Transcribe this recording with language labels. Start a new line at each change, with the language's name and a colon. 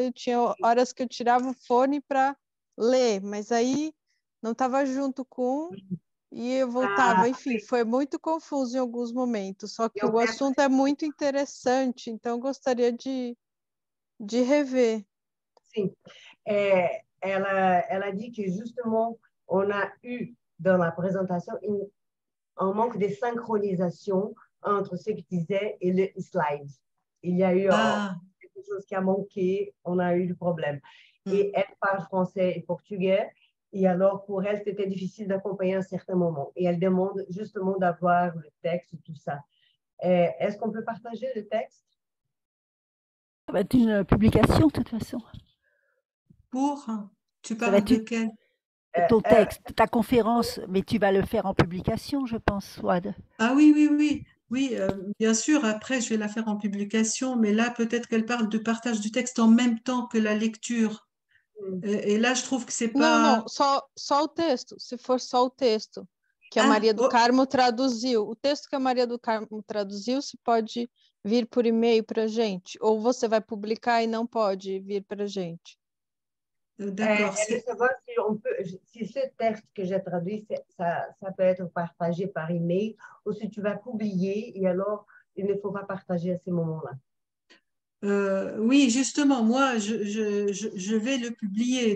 Portuguese: Eu tinha horas que eu tirava o fone para ler, mas aí não estava junto com e eu voltava. Enfim, foi muito confuso em alguns momentos. Só que o assunto é muito interessante, então eu gostaria de rever. Sim, ela disse que justamente
French: on a eu dans la présentation un manque de synchronisation entre ce que disait et le slide. Il y a eu quelque chose qui a manqué, on a eu du problème. Et elle parle français et portugais, et alors pour elle c'était difficile d'accompagner à certains moments. Et elle demande justement d'avoir le texte, tout ça. Est-ce qu'on peut partager le texte? Ça va être une publication, de toute façon. Pour? Tu parles de quel? Ton texte, ta conférence, mais tu vas le faire en publication, je pense, Wad. Ah oui. Oui, bien sûr, après, je vais la faire en publication, mais là, peut-être qu'elle parle de partage du texte en même temps que la lecture. Et là, je trouve que c'est pas...
Portuguese: Non, só o texto, se for só o texto, que a Maria do Carmo traduziu. O texto que a Maria do Carmo traduziu, se pode... vir por e-mail para a gente, ou você vai publicar e não pode vir para a gente.
French: D'accord.
Portuguese: Se esse texto que eu traduzi,
French: ça peut être partagé par e-mail, ou se tu vas publier, e alors il ne faut pas partager à ce moment-là. Oui, justement, moi, je vais le publier.